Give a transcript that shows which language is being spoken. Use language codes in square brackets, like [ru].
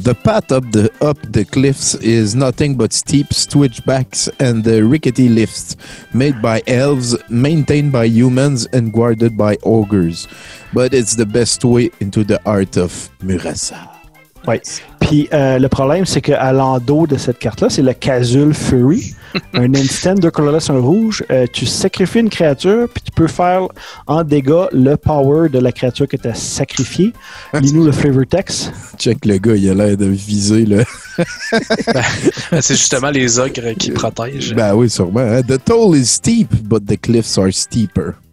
[en] The path up the cliffs is nothing but steep switchbacks and the rickety lifts made by elves, maintained by humans and guarded by ogres. But it's the best way into the heart of Murasa. [fr] Oui. Puis le problème, c'est qu'à l'endos de cette carte-là, c'est le Kazul Fury. Un instant, deux colorless, un rouge. Tu sacrifies une créature, puis tu peux faire en dégâts le power de la créature que tu as sacrifiée. Lis-nous le flavor text. Check le gars, il a l'air de viser, là. Ben, c'est justement les ogres qui protègent. Ben oui, sûrement. Hein? [en] The toll is steep, but the cliffs are steeper.